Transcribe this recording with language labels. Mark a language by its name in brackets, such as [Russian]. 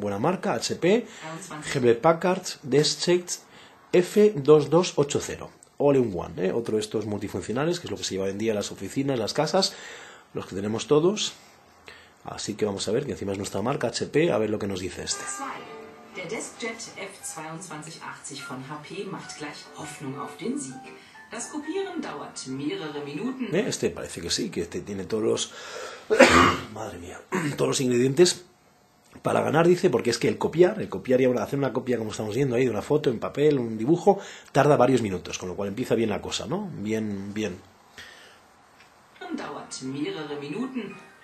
[Spanish] Buena marca, HP. Hewlett Packard Desktop F2280. All in one, ¿eh? Otro de estos multifuncionales, que es lo que se lleva hoy en día en las oficinas, las casas, los que tenemos todos. Así que vamos a ver, que encima es nuestra marca HP, a ver lo que nos dice este. [German] Deskjet F2280 von HP macht gleich Hoffnung auf den Sieg. Das Kopieren dauert mehrere Minuten. [Spanish] Este parece que sí, que este tiene todos los madre mía, todos los ingredientes para ganar, dice, porque es que el copiar y hacer una copia, como estamos viendo ahí, de una foto en papel, un dibujo, tarda varios minutos, con lo cual empieza bien la cosa, ¿no? Bien, bien. [German] Dauert mehrere Minuten.